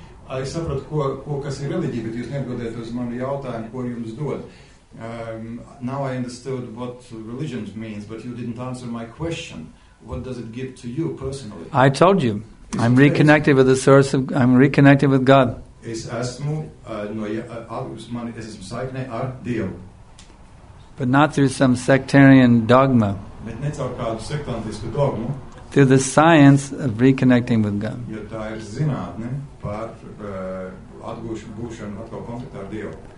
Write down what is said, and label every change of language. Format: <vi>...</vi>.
<lv>I saprotu, kas ir religija, bet jūs neatbildējat uz manu jautājumu, ko jums dod.</lv> <en>Now I understood what religion means, but you didn't answer my question. What does it give to you personally? I told you. I'm reconnected with the source of... I'm reconnected with God.</en> <lv>Es esmu saiknē ar Dievu.</lv> <en>But not through some sectarian dogma.</en> <lv>Bet ne caur kādu sektantisku dogmu.</lv> <en>Through the science of reconnecting with God.</en> <lv>Jo tā ir zinātne par būšanu atkal kontaktā ar Dievu.</lv>